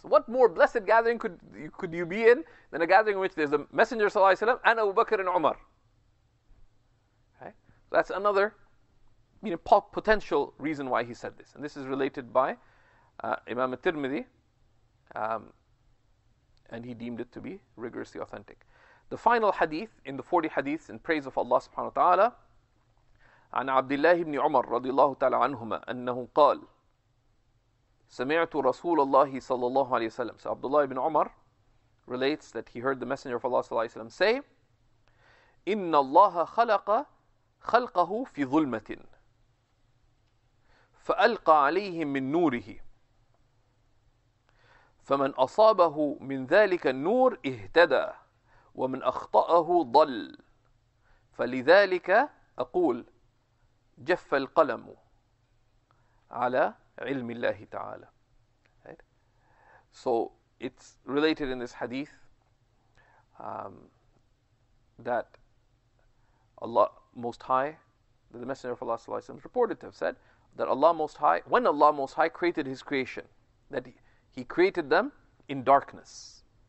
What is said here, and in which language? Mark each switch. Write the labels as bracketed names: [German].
[English] What more blessed gathering could you be in than a gathering in which there's the Messenger صلى الله عليه وسلم and Abu Bakr and Umar? Right? That's another, you know, potential reason why he said this. And this is related by Imam al-Tirmidhi, and he deemed it to be rigorously authentic. The final hadith in the 40 hadiths in praise of Allah subhanahu wa ta'ala, [Arabic] عن عبد الله بن عمر رضي الله تعالى عنهما أنه قال سمعت رسول الله صلى الله عليه وسلم. [English] So Abdullah ibn Umar relates that he heard the Messenger of Allah [Arabic] صلى الله عليه وسلم say إن الله خلق خلقه في ظلمة فألقى عليهم من نوره فمن أصابه من ذلك النور اهتدى ومن أخطأه ضل فلذلك أقول جف القلم على علم الله تعالى. [English] So it's related in this hadith that Allah Most High, that the Messenger of Allah Sallallahu Alaihi Wasallam reported to have said that Allah Most High, when Allah Most High created His creation, that He created them in darkness.